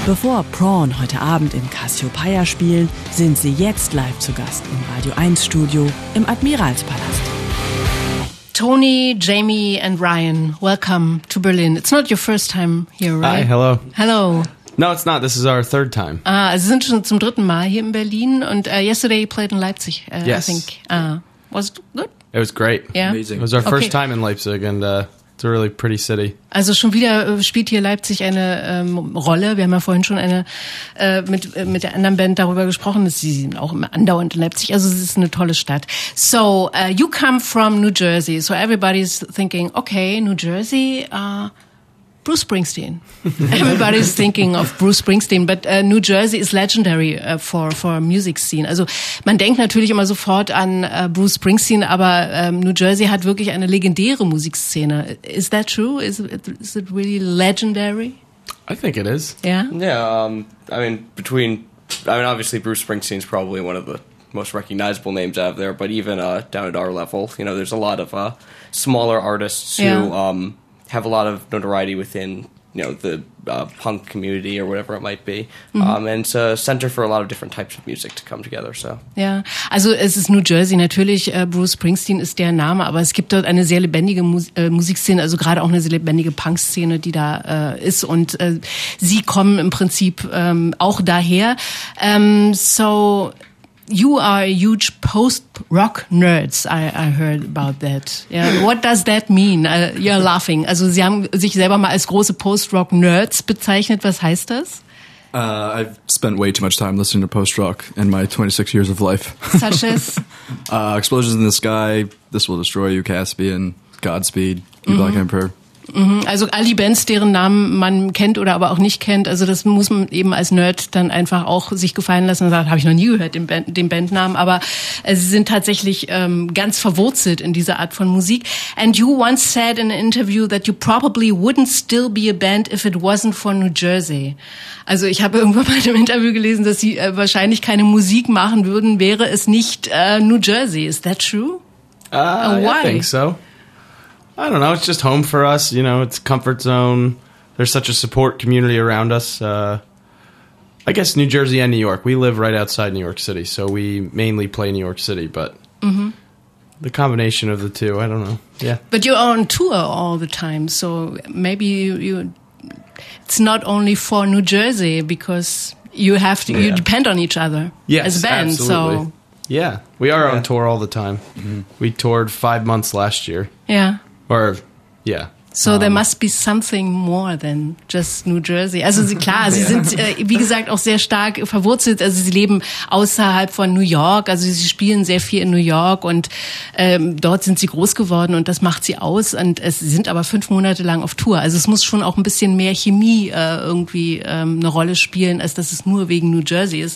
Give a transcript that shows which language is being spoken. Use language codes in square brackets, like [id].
[de] Bevor Prawn heute Abend im Cassiopeia spielen, sind sie jetzt live zu Gast im Radio 1 Studio im Admiralspalast. [en] Tony, Jamie and Ryan, welcome to Berlin. It's not your first time here, right? Hi, hello. Hello. No, it's not. This is our third time. [de] Ah, Sie sind schon zum dritten Mal hier in Berlin. [en] Und yesterday you played in Leipzig, yes. I think. Was it good? It was great. Yeah? Amazing. It was our first time in Leipzig and it's a really pretty city. [de] Also schon wieder spielt hier Leipzig eine Rolle. Wir haben ja vorhin schon eine mit der anderen Band darüber gesprochen. Sie sind auch immer andauernd in Leipzig. Also es ist eine tolle Stadt. [en] So, you come from New Jersey. So everybody's thinking, okay, New Jersey, Bruce Springsteen. Everybody's thinking of Bruce Springsteen, but New Jersey is legendary for music scene. [de] Also man denkt natürlich immer sofort an Bruce Springsteen, aber New Jersey hat wirklich eine legendäre Musikszene. [en] Is that true? Is it really legendary? I think it is. Yeah. Yeah. Obviously Bruce Springsteen's probably one of the most recognizable names out of there, but even down at our level, you know, there's a lot of smaller artists who. Yeah. Have a lot of notoriety within, you know, the punk community or whatever it might be. Mm-hmm. And it's a center for a lot of different types of music to come together, so. [de] Ja, also es ist New Jersey, natürlich Bruce Springsteen ist der Name, aber es gibt dort eine sehr lebendige Musikszene, also gerade auch eine sehr lebendige Punk-Szene, die da ist. Und sie kommen im Prinzip auch daher. [en] So, you are a huge post-rock nerds. I heard about that. Yeah. What does that mean? You're laughing. [de] Also, Sie haben sich selber mal als große post-rock nerds bezeichnet. Was heißt das? [en] I've spent way too much time listening to post-rock in my 26 years of life. Such as? Explosions in the Sky, This Will Destroy You, Caspian, Godspeed, You Black Emperor. [de] Also all die Bands, deren Namen man kennt oder aber auch nicht kennt, also das muss man eben als Nerd dann einfach auch sich gefallen lassen und sagen, habe ich noch nie gehört, den Bandnamen, aber sie sind tatsächlich ganz verwurzelt in dieser Art von Musik. [en] And you once said in an interview that you probably wouldn't still be a band if it wasn't for New Jersey. [de] Also ich habe irgendwann mal in einem Interview gelesen, dass sie wahrscheinlich keine Musik machen würden, wäre es nicht New Jersey. [en] Is that true? Why? I think so. I don't know, it's just home for us, you know, it's comfort zone, there's such a support community around us, I guess New Jersey and New York, we live right outside New York City, so we mainly play New York City, but the combination of the two, I don't know, yeah. But you're on tour all the time, so maybe you it's not only for New Jersey, because you have to, you depend on each other as a band, absolutely. So. Yeah, we are on tour all the time, we toured 5 months last year. Yeah. Or, yeah. So there must be something more than just New Jersey. [de] Also klar, sie sind, wie gesagt, auch sehr stark verwurzelt. Also sie leben außerhalb von New York. Also sie spielen sehr viel in New York und dort sind sie groß geworden und das macht sie aus. Und sie sind aber 5 Monate lang auf Tour. Also es muss schon auch ein bisschen mehr Chemie irgendwie eine Rolle spielen, als dass es nur wegen New Jersey ist.